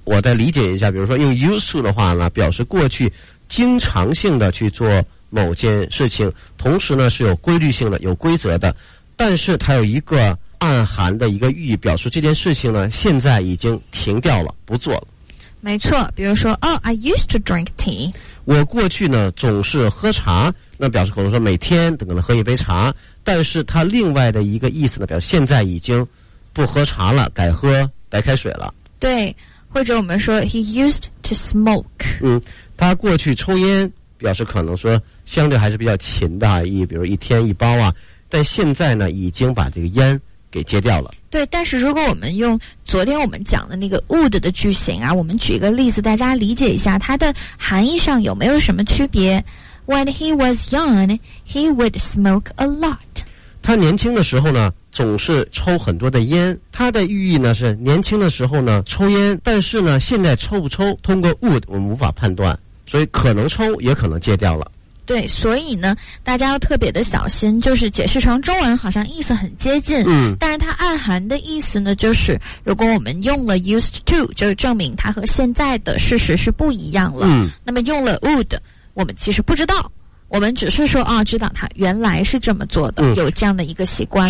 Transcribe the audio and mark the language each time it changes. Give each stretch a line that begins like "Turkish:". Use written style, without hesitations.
Chinese: 我再理解一下，比如说用 used to 的话呢，表示过去经常性的去做某件事情，同时呢是有规律性的、有规则的，但是它有一个暗含的一个寓意，表示这件事情呢现在已经停掉了，不做了。没错，比如说哦、
English: I used to drink tea，
Chinese: 我过去呢总是喝茶，那表示可能说每天都可能喝一杯茶，但是它另外的一个意思呢表示现在已经不喝茶了，改喝白开水了。对，或者我们说
English: he used to smoke，
Chinese: 他过去抽烟，表示可能说相对还是比较勤的，比如一天一包啊，但现在呢已经把这个烟给戒掉了。对，但是如果我们用昨天我们讲的那个 would 的句型啊，我们举一个例子大家理解一下它的含义上有没有什么区别。
English: When he was young he would smoke a lot，
Chinese: 他年轻的时候呢总是抽很多的烟，他的寓意呢是年轻的时候呢抽烟，但是呢现在抽不抽通过 would 我们无法判断，所以可能抽也可能戒掉了。对，所以呢大家要特别的小心，就是解释成中文好像意思很接近，但是它暗含的意思呢就是如果我们用了 used to 就证明它和现在的事实是不一样了，那么用了 would 我们其实不知道，我们只是说啊、哦，知道它原来是这么做的、有这样的一个习惯。